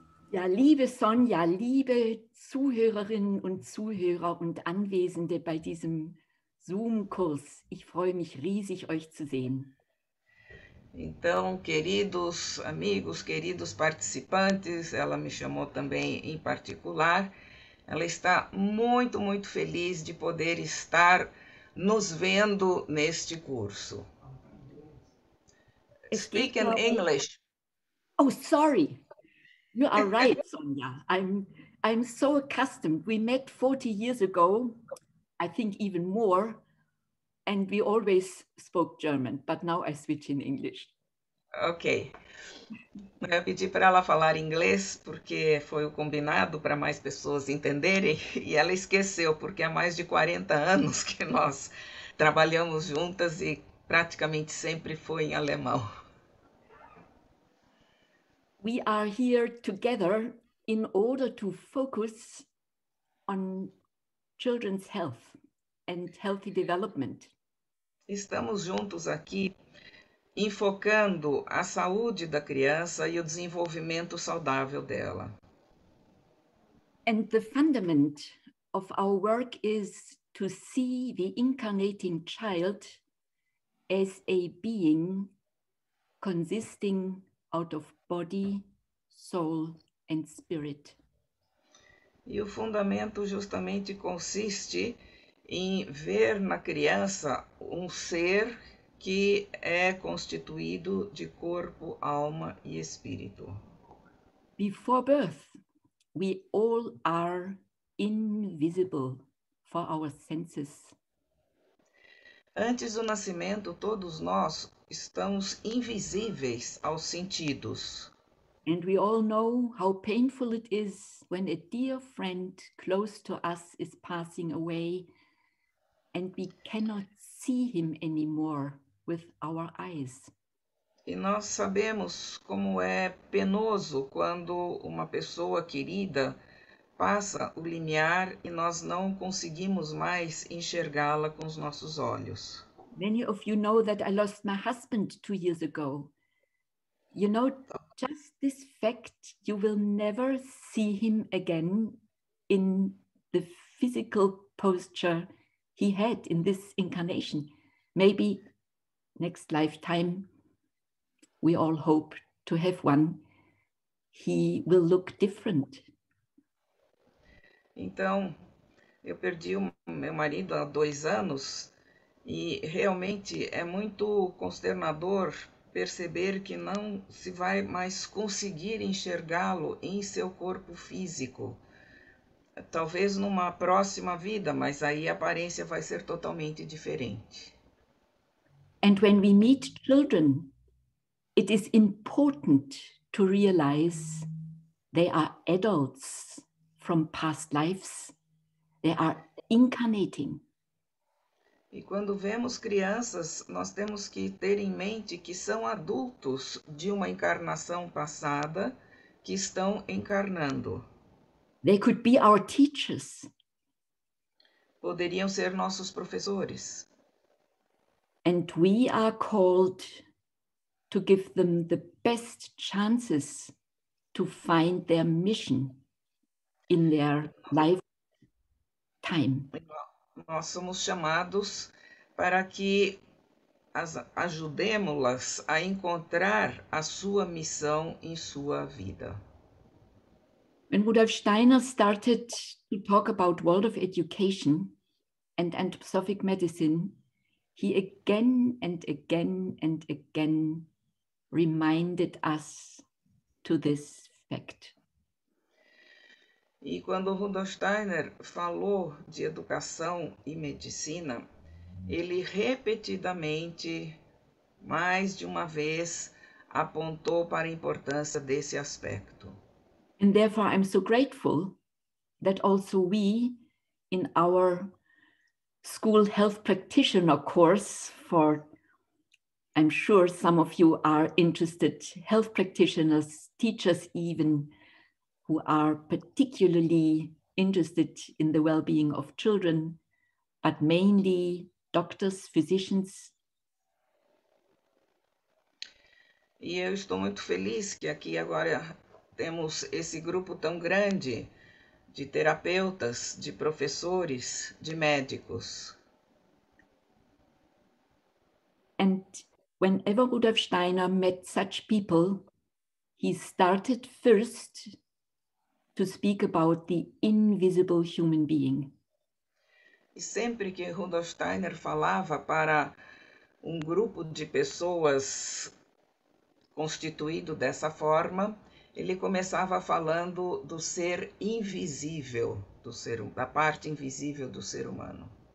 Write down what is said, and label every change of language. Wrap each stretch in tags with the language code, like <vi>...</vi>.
<de>Ja, liebe Sonja, liebe Zuhörerinnen und Zuhörer und Anwesende bei diesem Zoom-Kurs. Ich freue mich riesig, euch zu sehen.</de> <pt>Então, queridos amigos, queridos participantes, ela me chamou também em particular. Ela está muito, muito feliz de poder estar nos vendo neste curso.</pt> <en>Speak in English. Oh, sorry. You are right, Sonja. I'm so accustomed. We met 40 years ago, I think even more. And we always spoke German, but now I switch in English. Ok.</en> <pt>Eu pedi para ela falar inglês, porque foi o combinado para mais pessoas entenderem, e ela esqueceu, porque há mais de 40 anos que nós trabalhamos juntas e praticamente sempre foi em alemão.</pt> <en>We are here together in order to focus on children's health and healthy development.</en> <pt>Estamos juntos aqui enfocando a saúde da criança e o desenvolvimento saudável dela.</pt> <en>And the fundament of our work is to see the incarnating child as a being consisting out of body, soul and spirit.</en> <pt>E o fundamento justamente consiste em ver na criança um ser que é constituído de corpo, alma e espírito.</pt> <en>Before birth, we all are invisible for our senses.</en> <pt>Antes do nascimento, todos nós estamos invisíveis aos sentidos.</pt> <en>And we all know how painful it is when a dear friend close to us is passing away and we cannot see him anymore with our eyes.</en> <pt>E nós sabemos como é penoso quando uma pessoa querida passa o limiar e nós não conseguimos mais enxergá-la com os nossos olhos.</pt> <en>Many of you know that I lost my husband 2 years ago. You know, just this fact, you will never see him again in the physical posture he had in this incarnation. Maybe next lifetime, we all hope to have one, he will look different.</en> <pt>Então, eu perdi o meu marido há 2 anos e realmente é muito consternador perceber que não se vai mais conseguir enxergá-lo em seu corpo físico. Talvez numa próxima vida, mas aí a aparência vai ser totalmente diferente.</pt> <en>And when we meet children, it is important to realize they are adults from past lives. They are incarnating.</en> <pt>E quando vemos crianças, nós temos que ter em mente que são adultos de uma encarnação passada que estão encarnando.</pt> <en>They could be our teachers.</en> <pt>Poderiam ser nossos professores.</pt> <en>And we are called to give them the best chances to find their mission in their lifetime.</en> <pt>Nós somos chamados para que ajudemos-las a encontrar a sua missão em sua vida.</pt> <en>When Rudolf Steiner started to talk about world of education and anthroposophic medicine, he again and again and again reminded us to this fact.</en> <pt>E quando Rudolf Steiner falou de educação e medicina, ele repetidamente, mais de uma vez, apontou para a importância desse aspecto.</pt> <en>And therefore, I'm so grateful that also we, in our school health practitioner course, for I'm sure some of you are interested, health practitioners, teachers even, who are particularly interested in the well-being of children, but mainly doctors, physicians.</en> <pt>E eu estou muito feliz que aqui agora temos esse grupo tão grande de terapeutas, de professores, de médicos.</pt> <en>And whenever Rudolf Steiner met such people, he started first to speak about the invisible human being.</en> <pt>E sempre que Rudolf Steiner falava para um grupo de pessoas constituído dessa forma, ele começava falando do ser invisível, da parte invisível do ser humano.</pt>